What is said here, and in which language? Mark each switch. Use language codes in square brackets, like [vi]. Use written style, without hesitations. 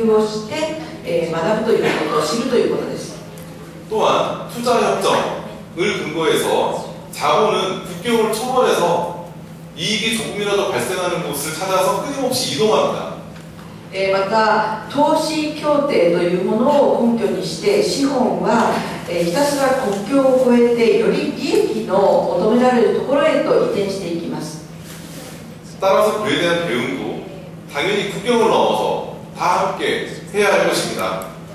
[ja] すなわち私が言いたいのはこの通商交渉というものを見るときに自分の分野に関してだけ考えるのではなく他の分野に関して今までよく知らなかった分野に関しても一生懸命に状況を見て研究をして学ぶということを知るということです。 [ko] 또한 투자 협정을 근거해서 자본은 국경을 초월해서 이익이 조금이라도 발생하는 곳을 찾아서 끊임없이 이동합니다. [ja] また投資協定というものを根拠にして資本はひたすら国境を越えてより利益の求められるところへと移転していきます。 [ko] 따라서그에대한대응도당연히국경을넘어서다함께해야할것입니다